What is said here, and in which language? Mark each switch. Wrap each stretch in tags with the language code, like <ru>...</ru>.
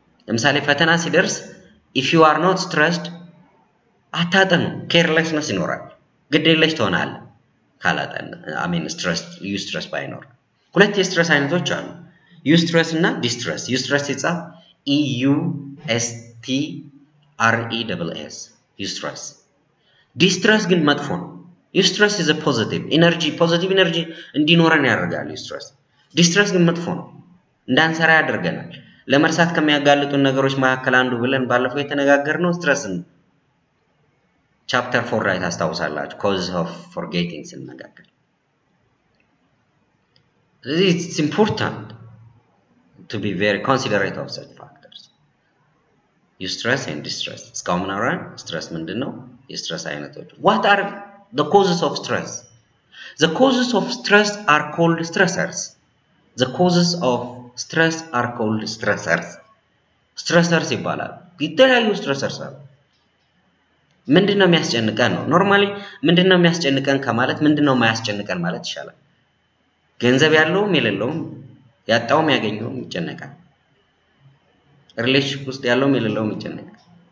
<am>ለምሳሌ ፈተና ሲደርስ</am> <en>if you are not stressed</en> <am>አታጠኑ ኬርለስነስ ይኖራል ግዴለሽ ተሆናል ካላጠን አሚን ስትረስ ዩ ስትረስ ባይኖር ሁለት የስትረስ አይነቶች አሉ ዩ ስትረስ እና ዲስትረስ ዩ ስትረስ ይጻፍ ኢዩ ኤስቲ አር ኢ ደብል ኤስ ዩ ስትረስ ዲስትረስ ግን መጥፎ ነው</am> <en>Eustress is a positive energy. Positive energy</en> <am>እንዲኖረን ያደርጋል</am> <en>eustress.</en> <am>Distress ግን መጥፎ ነው። እንዳንሰራ ያደርገናል። ለመርሳት ከመያጋለጡ ነገሮች መካከል አንዱ ብለን ባለፈው የተነጋገርነው stressን Chapter 4 right አስተውሳላችሁ cause of forgetting ስንነጋገር.</am> <en>It's important to be very considerate of such factors. Eustress and distress. It's common around stress ምንድነው?</en> <am>Eustress አይነቶች.</am> <en>What are the causes of stress? The causes of stress are called stressors. The causes of stress are called stressors.</en> <am>Stressors ይባላሉ. የተለያዩ stressors አሉ. ምንድነው የሚያስጨንቀን ነው? ኖርማሊ ምንድነው የሚያስጨንቀን ከማለት ምንድነው የማያስጨንቀን ማለት ይሻላል. ገንዘብ ያለው የሌለውም ያጣውም ያገኘውም ይጨነቃል. ሪሌሽንሺፕ ውስጥ ያለው የሌለውም ይጨነቃል.</am>